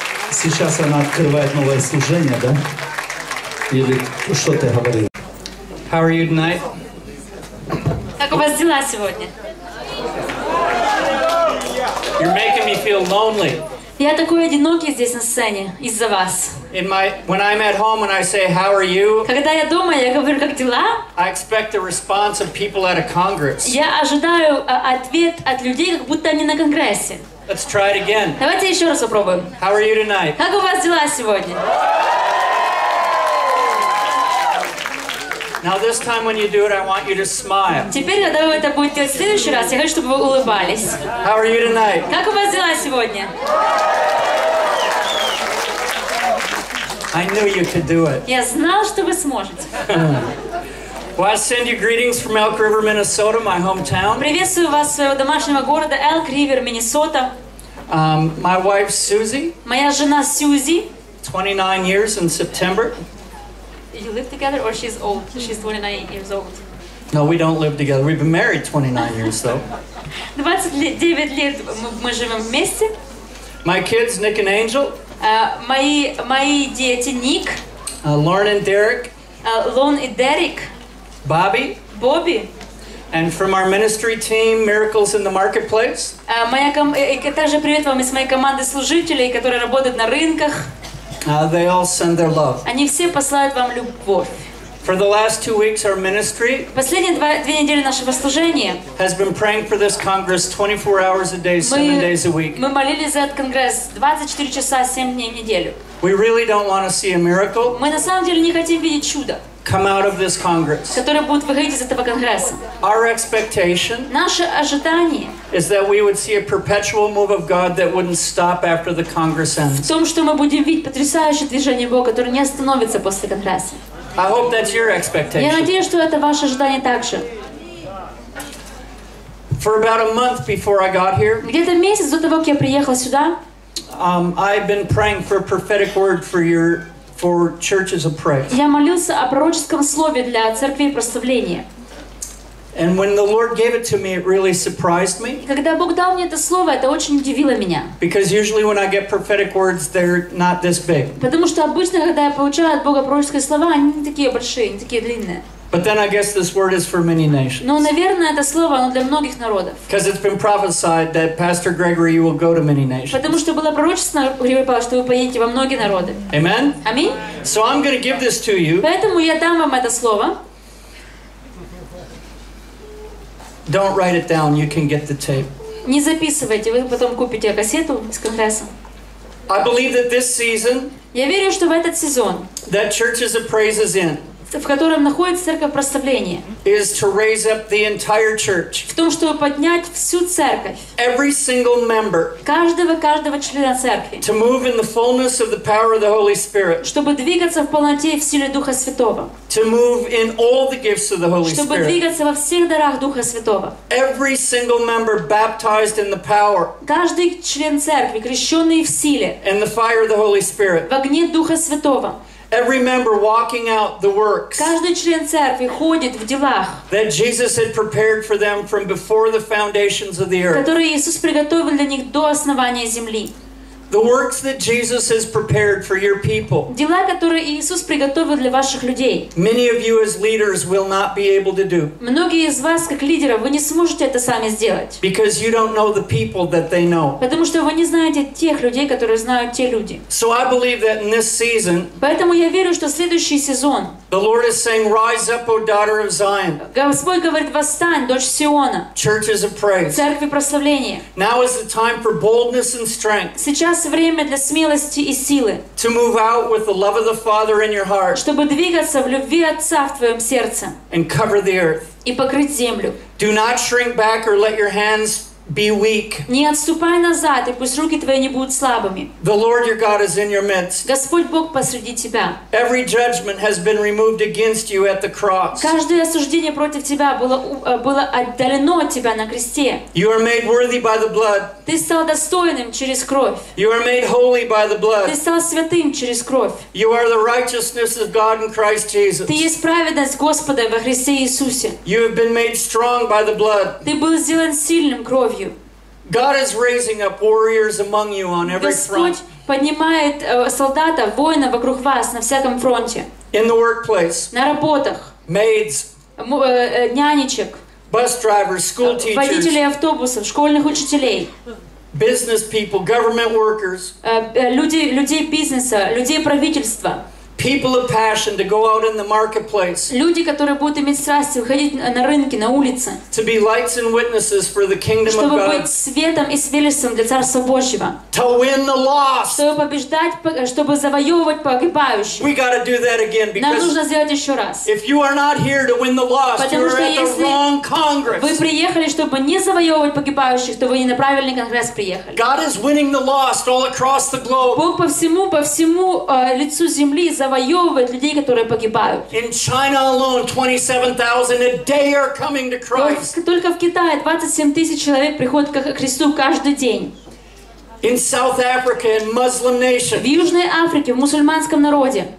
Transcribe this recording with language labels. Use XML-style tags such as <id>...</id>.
<ru>Сейчас она открывает новое служение, да? Или что ты говорил?</ru> <en>How are you tonight?</en> <ru>Как у вас дела сегодня?</ru> <en>You're making me feel lonely.</en> <ru>Я такой одинокий здесь на сцене из-за вас.</ru> <en>When I'm at home and I say how are you?</en> <ru>Когда я дома, я говорю как дела?</ru> <en>I expect a response of people at a congress.</en> <ru>Я ожидаю ответ от людей, как будто они на конгрессе.</ru> <en>Let's try it again.</en> <ru>Давайте еще раз попробуем.</ru> <en>How are you tonight?</en> <ru>Как у вас дела сегодня?</ru> <en>Now this time when you do it, I want you to smile.</en> <ru>Теперь, когда вы это будете делать в следующий раз, я хочу, чтобы вы улыбались.</ru> <en>How are you tonight?</en> <ru>Как у вас дела сегодня?</ru> <en>I knew you could do it.</en> <ru>Я знал, что вы сможете.</ru> <en>Well, I send you greetings from Elk River, Minnesota, my hometown.</en> <ru>Приветствую вас из своего домашнего города Elk River, Minnesota.</ru> <en>My wife Susie.</en> <ru>Моя жена Сьюзи.</ru> <en>29 years in September. You live together, or she's old? She's 29 years old. No, we don't live together. We've been married 29 years though.</en> <ru>29 лет мы живем вместе.</ru> <en>My kids, Nick and Angel.</en> <ru>Мои дети Ник.</ru> <en>Lauren and Derek. Lauren and Derek. Bobby. And from our ministry team, Miracles in the Marketplace.</en> <ru>Также привет вам из моей команды служителей, которые работают на рынках.</ru> <en>They all send their love.</en> <ru>Они все посылают вам любовь.</ru> <en>For the last 2 weeks, our ministry.</en> <ru>Последние две недели нашего служения.</ru> <en>Has been praying for this Congress 24 hours a day, 7 days a week.</en> <ru>Мы молились за этот Конгресс 24 часа 7 дней в неделю.</ru> <en>We really don't want to see a miracle.</en> <ru>Мы на самом деле не хотим видеть чудо.</ru> <en>Come out of this Congress.</en> <ru>Которые будут выходить из этого Конгресса.</ru> <en>Our expectation.</en> <ru>Наше ожидание.</ru> <en>Is that we would see a perpetual move of God that wouldn't stop after the Congress ends.</en> <ru>В том, что мы будем видеть потрясающее движение Бога, которое не остановится после Конгресса.</ru> <en>I hope that's your expectation.</en> <ru>Я надеюсь, что это ваше ожидание также.</ru> <en>For about a month before I got here.</en> <ru>Где-то месяц до того, как я приехал сюда.</ru> <en>I've been praying for a prophetic word for churches of praise.</en> <ru>Я молился о пророческом слове для церквей прославления.</ru> <en>And when the Lord gave it to me, it really surprised me.</en> <ru>Когда Бог дал мне это слово, это очень удивило меня.</ru> <en>Because usually when I get prophetic words, they're not this big.</en> <ru>Потому что обычно, когда я получаю от Бога пророческие слова, они не такие большие, не такие длинные.</ru> <en>But then I guess this word is for many nations.</en> <ru>Но, наверное, это слово оно для многих народов.</ru> <en>Because it's been prophesied that Pastor Gregory, you will go to many nations.</en> <ru>Потому что было пророчество, Григорий Павлович, что вы поедете во многие народы.</ru> <en>Amen.</en> <ru>Аминь.</ru> <en>So I'm going to give this to you.</en> <ru>Поэтому я дам вам это слово.</ru> <en>Don't write it down. You can get the tape.</en> <ru>Не записывайте, вы потом купите кассету с конгрессом.</ru> <en>I believe that this season.</en> <ru>Я верю, что в этот сезон.</ru> <en>That churches of praise is in.</en> <ru>В котором находится церковь прославления.</ru> <en>Is to raise up the entire church.</en> <ru>В том, чтобы поднять всю церковь.</ru> <en>Every single member.</en> <ru>Каждого члена церкви.</ru> <en>To move in the fullness of the power of the Holy Spirit.</en> <ru>Чтобы двигаться в полноте и в силе Духа Святого.</ru> <en>To move in all the gifts of the Holy Spirit.</en> <ru>Чтобы двигаться во всех дарах Духа Святого.</ru> <en>Every single member baptized in the power.</en> <ru>Каждый член церкви крещённый в силе.</ru> <en>In the fire of the Holy Spirit.</en> <ru>В огне Духа Святого.</ru> <en>Every member walking out the works.</en> <ru>Каждый член церкви ходит в делах.</ru> <en>That Jesus had prepared for them from before the foundations of the earth.</en> <ru>Которые Иисус приготовил для них до основания земли.</ru> <en>The works that Jesus has prepared for your people.</en> <ru>Дела, которые Иисус приготовил для ваших людей.</ru> <en>Many of you as leaders will not be able to do.</en> <ru>Многие из вас как лидеров вы не сможете это сами сделать.</ru> <en>Because you don't know the people that they know.</en> <ru>Потому что вы не знаете тех людей, которые знают те люди.</ru> <en>So I believe that in this season.</en> <ru>Поэтому я верю, что следующий сезон.</ru> <en>The Lord is saying, "Rise up, O daughter of Zion."</en> <ru>Господь говорит, восстань, дочь Сиона.</ru> <en>Churches of praise.</en> <ru>Церкви прославления.</ru> <en>Now is the time for boldness and strength.</en> <ru>Сейчас время для смелости и силы.</ru> <en>To move out with the love of the Father in your heart.</en> <ru>Чтобы двигаться в любви Отца в твоем сердце.</ru> <en>And cover the earth.</en> <ru>И покрыть землю.</ru> <en>Do not shrink back or let your hands be weak.</en> <ru>Не отступай назад, и пусть руки твои не будут слабыми.</ru> <en>The Lord your God is in your midst.</en> <ru>Господь Бог посреди тебя.</ru> <en>Every judgment has been removed against you at the cross.</en> <ru>Каждое осуждение против тебя было отдалено от тебя на кресте.</ru> <en>You are made worthy by the blood.</en> <ru>Ты стал достойным через кровь.</ru> <en>You are made holy by the blood.</en> <ru>Ты стал святым через кровь.</ru> <en>You are the righteousness of God in Christ Jesus.</en> <ru>Ты есть праведность Господа во Христе Иисусе.</ru> <en>You have been made strong by the blood.</en> <ru>Ты был сделан сильным кровью.</ru> <en>God is raising up warriors among you on every front.</en> <ru>Господь поднимает солдатов, воинов вокруг вас на всяком фронте.</ru> <en>In the workplace.</en> <ru>На работах.</ru> <en>Maids.</en> <ru>Нянечек.</ru> <en>Bus drivers, school teachers.</en> <ru>Водителей автобусов, школьных учителей.</ru> <en>Business people, government workers.</en> <ru>Людей бизнеса, людей правительства.</ru> <en>People of passion to go out in the marketplace.</en> <ru>Люди, которые будут иметь страсть выходить на рынки, на улицы.</ru> <en>To be lights and witnesses for the kingdom of God.</en> <ru>Чтобы быть светом и свидетельством для Царства Божьего.</ru> <en>To win the lost.</en> <ru>Чтобы побеждать, чтобы завоевывать погибающих.</ru> <en>We got to do that again because.</en> <ru>Нам нужно сделать еще раз.</ru> <en>If you are not here to win the lost,</en> <ru>потому что</ru> <en>you're at the wrong Congress.</en> <ru>Вы приехали, чтобы не завоевывать погибающих, то вы не на правильный конгресс приехали.</ru> <en>God is winning the lost all across the globe.</en> <ru>Бог по всему лицу земли. Завоевывает людей, которые погибают.</ru> <en>In China alone, 27,000 a day are coming to Christ.</en> <ru>Только в Китае 27,000 человек приходят к Христу каждый день.</ru> <en>In South Africa, in Muslim nation.</en> <ru>В Южной Африке, в мусульманском народе.</ru>